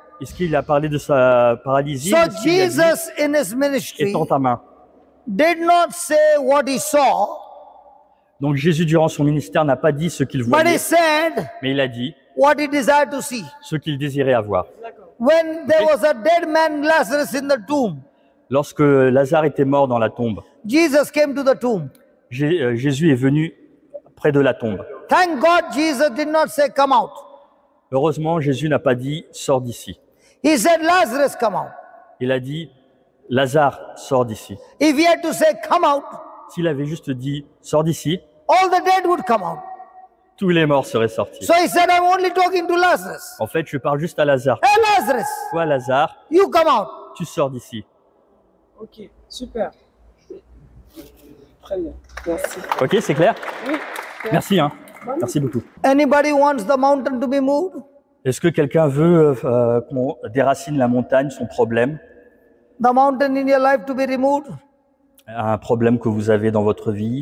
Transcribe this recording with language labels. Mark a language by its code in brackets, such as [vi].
[fr] Est-ce qu'il a parlé de sa paralysie? [en] So Jesus in his ministry. [fr] Étends ta main. [en] Did not say what he saw. [fr] Donc Jésus durant son ministère n'a pas dit ce qu'il voyait. [en] But he said, [fr] mais il a dit [en] what he desired to see. [fr] Ce qu'il désirait avoir. [en] When there was a dead man Lazarus in the tomb. [fr] Lorsque Lazare était mort dans la tombe. [en] Jesus came to the tomb. [fr] Jésus est venu près de la tombe. [en] Thank God Jesus did not say come out. [fr] Heureusement Jésus n'a pas dit sors d'ici. [en] He said Lazarus come out. [fr] Il a dit Lazare, sors d'ici. [en] If he had to say, come out, [fr] s'il avait juste dit, sors d'ici, [en] all the dead would come out. [fr] Tous les morts seraient sortis. [en] So he said, I'm only talking to Lazarus. [fr] En fait, je parle juste à Lazare. [en] Hey Lazarus, [fr] toi Lazare, [en] you come out. [fr] Tu sors d'ici. Ok, super. Très bien, merci. Ok, c'est clair? Oui. Merci, hein. Merci beaucoup. [en] Anybody wants the mountain to be moved? [fr] Est-ce que quelqu'un veut qu'on déracine la montagne, son problème? [en] The mountain in your life to be removed. [fr] Un problème que vous avez dans votre vie.